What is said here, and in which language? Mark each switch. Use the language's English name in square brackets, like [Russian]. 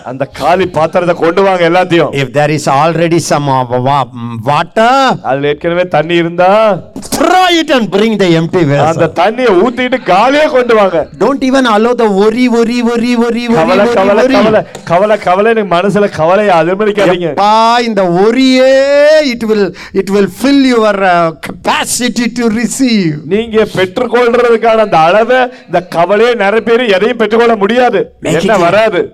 [Tamil] அந்த காலி பாத்திரத்தை கொண்டு வாங்க எல்லாத்தையும் [English] if there is already some water [Tamil] அதுல ஏற்கனவே தண்ணி இருந்தா [English] throw it and bring the empty vessel [Tamil] அந்த தண்ணியை ஊத்திட்டு காலியே கொண்டு வாங்க [English] don't even allow the worry worry worry worry [Tamil] கவல கவல கவல கவல கவல நீ மனசுல கவலைய அதிரமிக்காதீங்க அப்பா இந்த worryயே [English] it will fill your capacity to receive [Tamil] நீங்க பெற்றுக்கொள்றதுக்கான அந்த அளவே இந்த கவலையே நிரப்பிற எதையும் பெற்றுக்கொள்ள முடியாது என்ன வராது